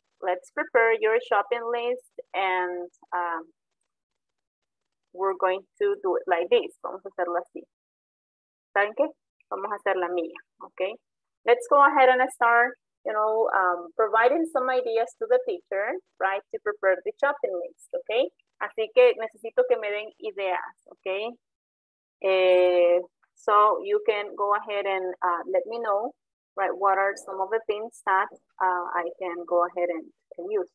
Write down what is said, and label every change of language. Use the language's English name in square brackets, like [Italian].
[English] let's prepare your shopping list and we're going to do it like this. [Spanish] Vamos a hacerlo así. ¿Saben qué? Vamos a hacer la mía, [English] okay? Let's go ahead and start, you know, providing some ideas to the teacher, right, to prepare the shopping list, okay? [Spanish] Así que necesito que me den ideas, okay? [English] So you can go ahead and let me know, right, what are some of the things that I can go ahead and can use.